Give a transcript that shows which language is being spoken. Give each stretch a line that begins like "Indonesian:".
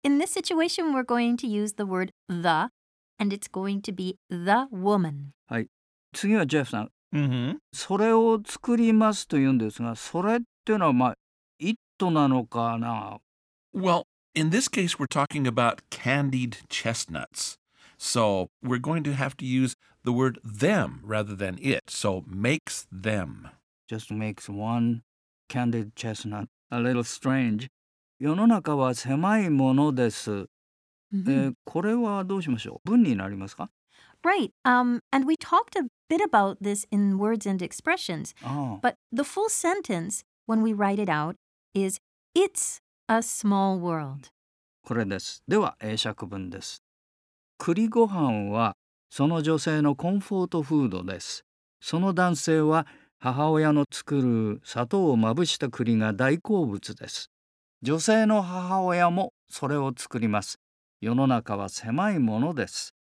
English: In this situation, we're going to use the word the, and it's going to be the woman.
Japanese: はい。次はジェフさん。 Mm-hmm. それを作りますと言うんですが、それっていうのはまあ、it なのかな?
English: Well, in this case, we're talking about candied chestnuts. So, we're going to have to use the word them rather than it. So, makes them. Just makes one candied chestnut a little strange.
Japanese: 世の中は狭いものです。 Mm-hmm. これはどうしましょう? 文になりますか?
English: Right. And we talked aboutbit about this in words and expressions, but the full sentence, when we write it out, is It's a small world.
Japanese: これです。では、英釈文です。栗ご飯はその女性のコンフォートフードです。その男性は母親の作る砂糖をまぶした栗が大好物です。女性の母親もそれを作ります。世の中は狭いものです。